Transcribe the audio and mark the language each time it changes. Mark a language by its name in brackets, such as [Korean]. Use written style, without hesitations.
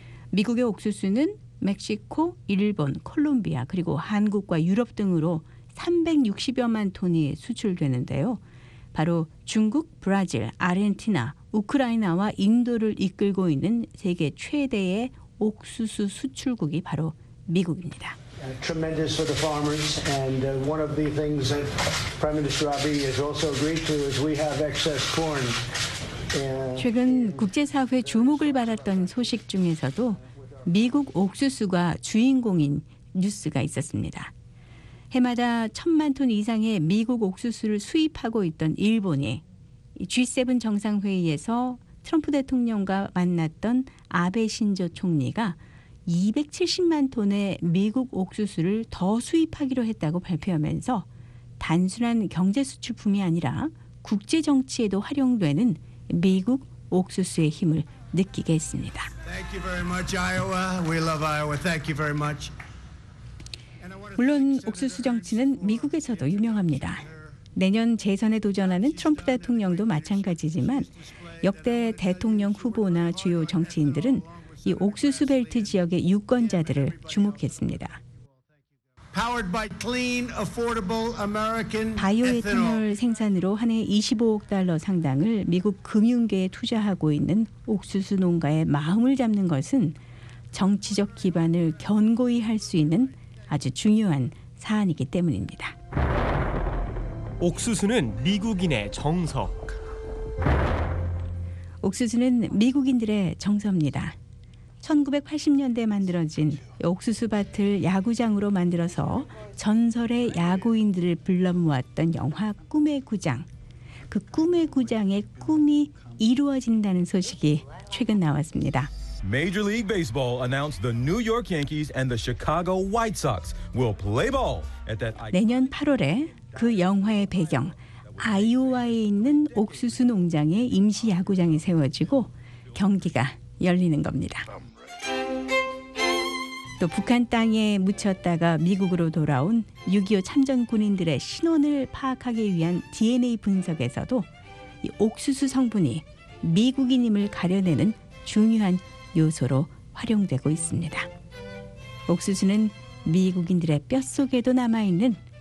[Korean] 미국의 옥수수는 멕시코, 일본, 콜롬비아, 그리고 한국과 유럽 등으로 360여만 톤이 수출되는데요. 바로 중국, 브라질, 아르헨티나, 우크라이나와 인도를 이끌고 있는 세계 최대의 옥수수 수출국이 바로 미국입니다. [English] Tremendous for the farmers, and one of the things that Prime Minister Abe has also agreed to is we have excess corn. [Korean] 최근 국제사회 주목을 받았던 소식 중에서도 미국 옥수수가 주인공인 뉴스가 있었습니다. 해마다 천만 톤 이상의 미국 옥수수를 수입하고 있던 일본이 G7 정상회의에서 트럼프 대통령과 만났던 아베 신조 총리가 270만 톤의 미국 옥수수를 더 수입하기로 했다고 발표하면서 단순한 경제 수출품이 아니라 국제 정치에도 활용되는 미국 옥수수의 힘을 느끼게 했습니다. [English] Thank you very much, Iowa. We love Iowa. Thank you very much. [Korean] 물론 옥수수 정치는 미국에서도 유명합니다. 내년 재선에 도전하는 트럼프 대통령도 마찬가지지만 역대 대통령 후보나 주요 정치인들은 이 옥수수 벨트 지역의 유권자들을 주목했습니다. [English] Powered by clean, affordable American ethanol. [Korean] 바이오에탄올 생산으로 한 해 25억 달러 상당을 미국 금융계에 투자하고 있는 옥수수 농가의 마음을 잡는 것은 정치적 기반을 견고히 할 수 있는 아주 중요한 사안이기 때문입니다. 옥수수는 미국인의 정석. 옥수수는 미국인들의 정서입니다. 1980년대에 만들어진 옥수수밭을 야구장으로 만들어서 전설의 야구인들을 불러모았던 영화 꿈의 구장. 그 꿈의 구장의 꿈이 이루어진다는 소식이 최근 나왔습니다. [English] Major League Baseball announced the New York Yankees and the Chicago White Sox will play ball at that [Korean] 내년 8월에 그 영화의 배경 아이오와에 있는 옥수수 농장에 임시 야구장이 세워지고 경기가 열리는 겁니다. 또 북한 땅에 묻혔다가 미국으로 돌아온 6.25 참전 군인들의 신원을 파악하기 위한 DNA 분석에서도 이 옥수수 성분이 미국인임을 가려내는 중요한 요소로 활용되고 있습니다. 옥수수는 미국인들의 뼛속에도 남아있는